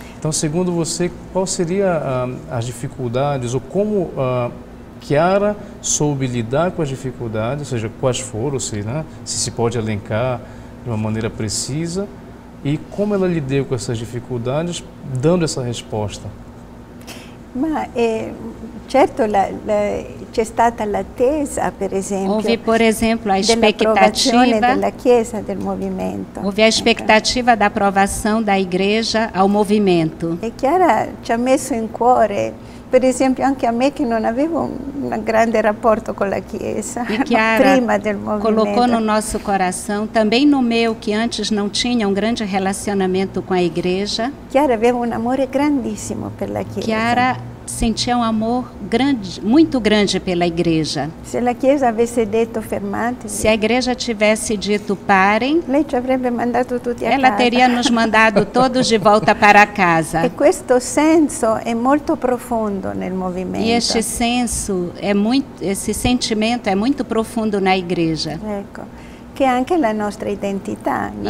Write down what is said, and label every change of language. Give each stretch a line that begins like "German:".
Portuguese: Então, segundo você, qual seria as dificuldades ou como Chiara soube lidar com as dificuldades, ou seja, quais foram, se pode elencar de uma maneira precisa, e como ela lidou com essas dificuldades, dando essa resposta?
Italian: Mas, certo, c'è stata l'attesa, per esempio.
Portuguese: Houve, por exemplo, a expectativa
Italian: da Chiesa, del movimento.
Portuguese: Houve a expectativa da aprovação da Igreja ao movimento.
Italian: E Chiara ci ha messo in cuore. Per esempio, anche a me che non avevo un grande rapporto con la Chiesa prima del movimento.
Portuguese: Colocou no nosso coração, também no meu, que antes não tinha um grande relacionamento com a Igreja.
Italian: Chiara aveva un amore grandissimo per la Chiesa.
Portuguese: Chiara sentia um amor grande, muito grande pela Igreja.
Italian: Se la Chiesa avesse detto fermatevi.
Portuguese: Se a Igreja tivesse dito parem.
Italian: Lei ci avrebbe mandato tutti a casa.
Portuguese: Ela teria nos mandado todos de volta para casa.
Italian: E questo senso è molto profondo nel movimento.
Portuguese: E este senso é muito, esse sentimento é muito profundo na Igreja.
Italian: Ecco. Che è anche la nostra identità, no?